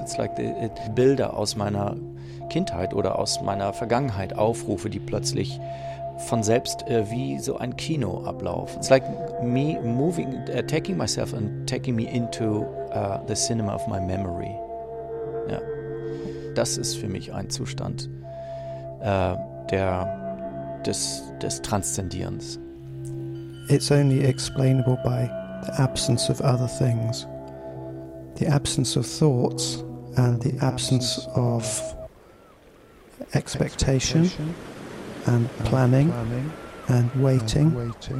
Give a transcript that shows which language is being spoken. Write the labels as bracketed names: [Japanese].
[English] It's like the [German] Bilder aus meiner Kindheit oder aus meiner Vergangenheit aufrufe, die plötzlich von selbst wie so ein Kino ablaufen. [English] It's like me moving, taking myself and taking me into the cinema of my memory. [German] Ja. Das ist für mich ein Zustand des Transzendierens. [English] It's only explainable by the absence of other things. The absence of thoughts and the absence of expectation and planning and waiting.